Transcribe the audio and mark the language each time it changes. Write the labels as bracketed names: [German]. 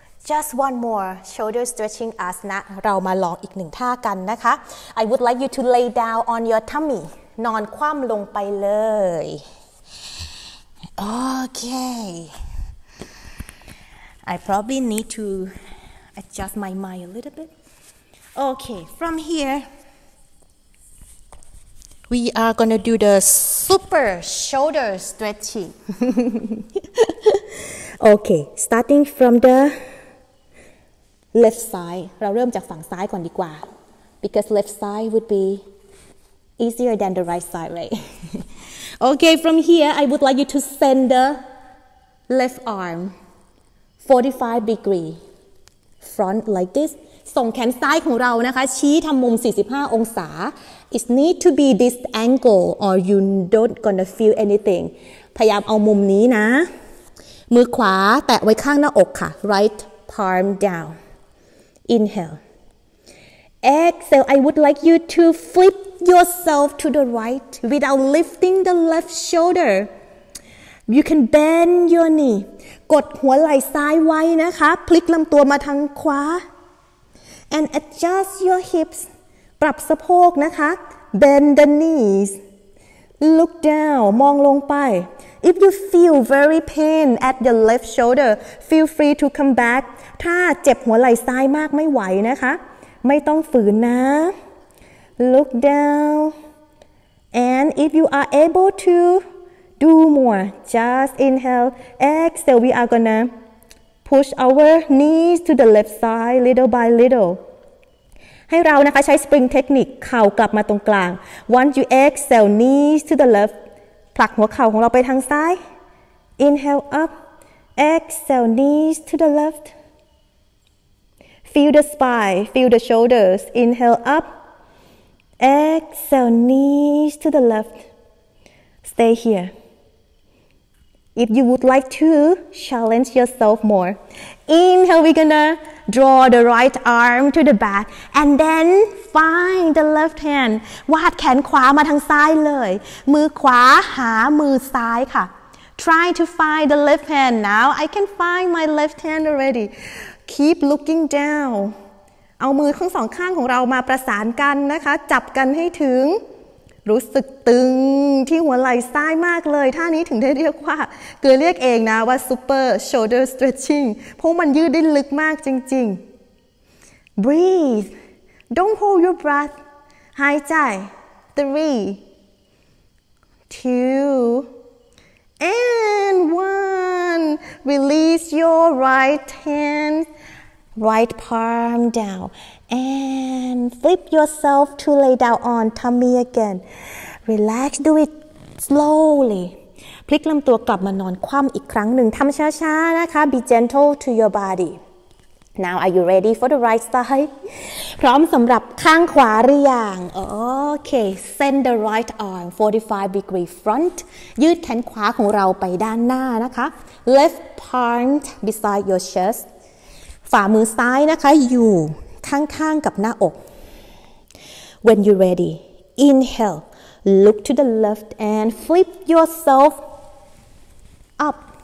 [English] just one more shoulder stretching asana [Thai] เรามาลองอีกหนึ่งท่ากันนะคะ [English] I would like you to lay down on your tummy [Thai] นอนคว่ำลงไปเลย [English] okay I probably need to adjust my mind a little bit okay from hereWe are gonna do the super shoulder stretching. okay, starting from the left side. [Thai] เราเริ่มจากฝั่งซ้ายก่อนดีกว่า [English] because left side would be easier than the right side, right? okay, from here, I would like you to send the left arm 45 degree front like this. [Thai] ส่งแขนซ้ายของเรานะคะชี้ทำมุม45องศา [English] It need to be this angle or you don't gonna feel anything [Thai] พยายามเอามุมนี้นะมือขวาแตะไว้ข้างหน้าอกค่ะ [English] Right palm down Inhale Exhale I would like you to flip yourself to the right without lifting the left shoulder You can bend your knee [Thai] กดหัวไหล่ซ้ายไว้นะคะพลิกลำตัวมาทางขวา [English] And adjust your hips. [Thai] ปรับสะโพกนะคะ [English] Bend the knees. Look down. [Thai] มองลงไป [English] If you feel very pain at the left shoulder, feel free to come back. [Thai] ถ้าเจ็บหัวไหล่ซ้ายมากไม่ไหวนะคะไม่ต้องฝืนนะ [English] Look down. And if you are able to do more, just inhale. Exhale. We are gonna. Push our knees to the left side little by little. [Thai] ให้เรานะคะใช้ spring technique เข่ากลับมาตรงกลาง [English] Once you exhale knees to the left, [Thai] ผลักหัวเข่าของเราไปทางซ้าย [English] Inhale up, exhale knees to the left. Feel the spine, feel the shoulders. Inhale up, exhale knees to the left. Stay here. If you would like to challenge yourself more, inhale, we're gonna draw the right arm to the back and then find the left hand. [Thai] วาดแขนขวามาทางซ้ายเลยมือขวาหามือซ้ายค่ะ [English] Try to find the left hand now. I can find my left hand already. Keep looking down. [Thai] เอามือทั้งสองข้างของเรามาประสานกันนะคะจับกันให้ถึง รู้สึกตึงที่หัวไหล่ซ้ายมากเลยท่านี้ถึงได้เรียกว่า เกลือเรียกเองนะว่า super shoulder stretching เพราะมันยืดได้ลึกมากจริงๆ [English] breathe don't hold your breath [Thai] หายใจ [English] three two and one release your right hand right palm downAnd flip yourself to lay down on tummy again. Relax, do it slowly. [Thai] พลิกลำตัวกลับมานอนคว่ำอีกครั้งหนึ่งทำช้าๆนะคะ [English] Be gentle to your body. Now are you ready for the right side? [Thai] พร้อมสำหรับข้างขวาหรือยัง [English] Okay, send the right arm 45 degree front. [Thai] ยืดแขนขวาของเราไปด้านหน้านะคะ [English] Left palm beside your chest. [Thai] ฝ่ามือซ้ายนะคะอยู่ข้างๆกับหน้าอก [English] When you're ready, inhale, look to the left and flip yourself up.